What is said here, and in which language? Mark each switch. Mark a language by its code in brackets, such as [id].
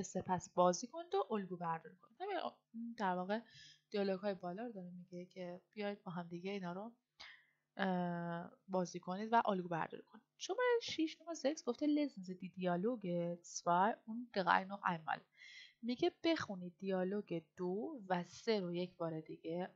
[fa] میگه سپس بازی کن و الگو برداری کن. در واقع دیالوگ های بالا رو داره میگه که بیاید با هم دیگه اینا رو بازی کنید و الگو برداری کنید. شماره 6 نمبر 6 گفته [de] lesen Sie die Dialoge 2 und 3 noch einmal. [fa] میگه بخونید دیالوگ 2 و 3 رو یک بار دیگه.